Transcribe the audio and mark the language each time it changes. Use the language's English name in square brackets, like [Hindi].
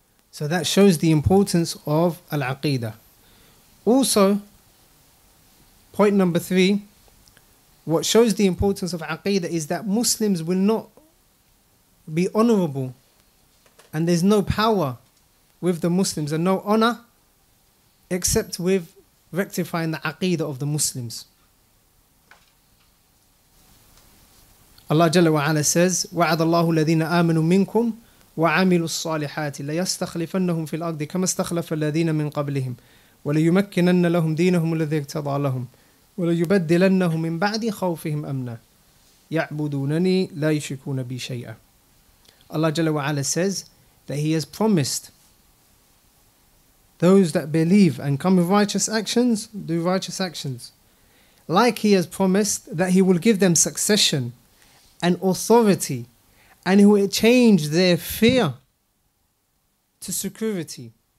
[English] So that shows the importance of al-aqidah. Also, point number three, what shows the importance of aqidah is that Muslims will not be honorable, and there's no power with the Muslims and no honor except with rectifying the aqidah of the Muslims. Allah jalla wa ala says, [Arabic] وَعَدَ اللَّهُ الَّذِينَ آمَنُوا مِنْكُمْ وَعَمِلُوا الصَّالِحَاتِ لَيَسْتَخْلِفَنَّهُمْ فِي الْأَرْضِ كَمَا اسْتَخْلَفَ الَّذِينَ مِنْ قَبْلِهِمْ وَلَيُمَكِّنَنَّ لَهُمْ دِينَهُمُ الَّذِي ارْتَضَى لَهُمْ وَلَيُبَدِّلَنَّهُمْ مِنْ بَعْدِ خَوْفِهِمْ أَمْنًا يَعْبُدُونَنِي لَا يُشْرِكُونَ بِي شَيْئًا. [English] Allah jalla wa ala says that He has promised those that believe and come with righteous actions, do righteous actions. Like He has promised that He will give them succession and authority, and He will change their fear to security.